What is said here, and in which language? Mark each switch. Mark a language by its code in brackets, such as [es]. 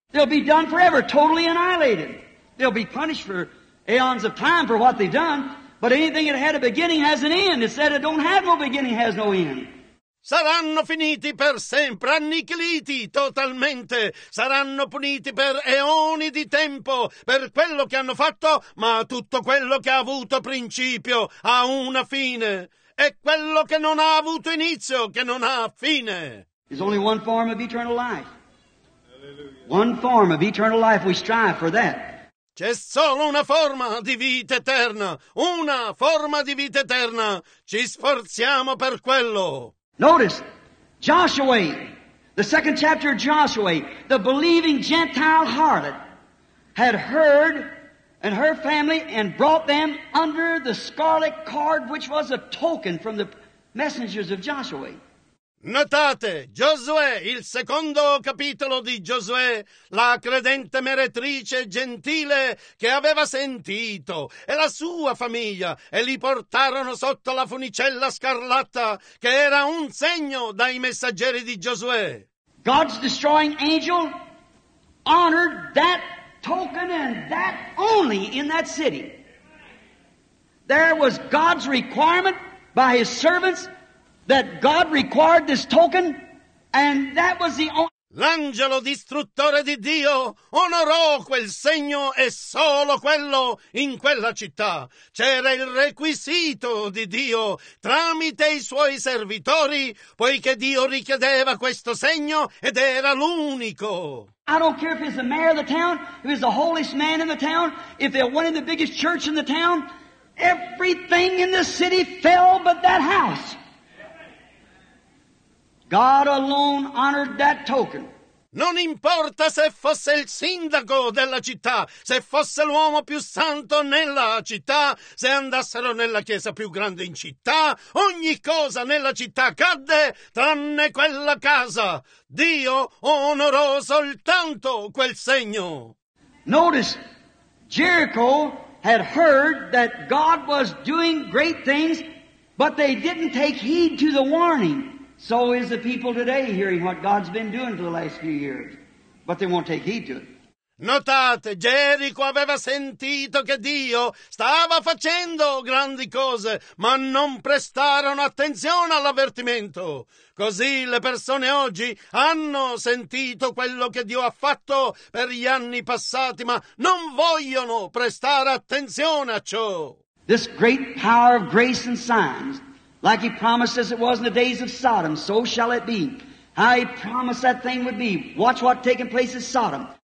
[en] They'll be done forever, totally annihilated. They'll be punished for eons of time for what they've done. But anything that had a beginning has an end. It said it don't have no beginning, has no end. [it] Saranno finiti per sempre, annichiliti totalmente. Saranno puniti per eoni di tempo, per quello che hanno fatto, ma tutto quello che ha avuto principio ha una fine. E quello che non ha avuto inizio, che non ha fine. [en] There's only one form of eternal life. Hallelujah. One form of eternal life, we strive for that. [it] C'è solo una forma di vita eterna, una forma di vita eterna. Ci sforziamo per quello. [en] Notice, Joshua, the second chapter of Joshua, the believing Gentile harlot had heard and her family and brought them under the scarlet cord, which was a token from the messengers of Joshua. [it] Notate, Giosuè, il secondo capitolo di Giosuè, la credente meretrice gentile che aveva sentito, e la sua famiglia, e li portarono sotto la funicella scarlatta, che era un segno dai messaggeri di Giosuè. [en] God's destroying angel honored that token and that only in that city. There was God's requirement by his servants that God required this token, and that was the only... [it] L'angelo distruttore di Dio onorò quel segno e solo quello in quella città. C'era il requisito di Dio tramite i suoi servitori, poiché Dio richiedeva questo segno ed era l'unico. [en] I don't care if he's the mayor of the town, if he's the holiest man in the town, if they're one of the biggest church in the town, everything in the city fell but that house. God alone honored that token. [it] Non importa se fosse il sindaco della città, se fosse l'uomo più santo nella città, se andassero nella chiesa più grande in città, ogni cosa nella città cadde tranne quella casa. Dio onorò soltanto quel segno. [en] Notice, Jericho had heard that God was doing great things, but they didn't take heed to the warning. So is the people today hearing what God's been doing for the last few years, but they won't take heed to it. [it] Notate, Gerico aveva sentito che Dio stava facendo grandi cose, ma non prestarono attenzione all'avvertimento. Così le persone oggi hanno sentito quello che Dio ha fatto per gli anni passati, ma non vogliono prestare attenzione a ciò. [en] This great power of grace and signs, like he promised as it was in the days of Sodom, so shall it be. How he promised that thing would be. Watch what taking place in Sodom.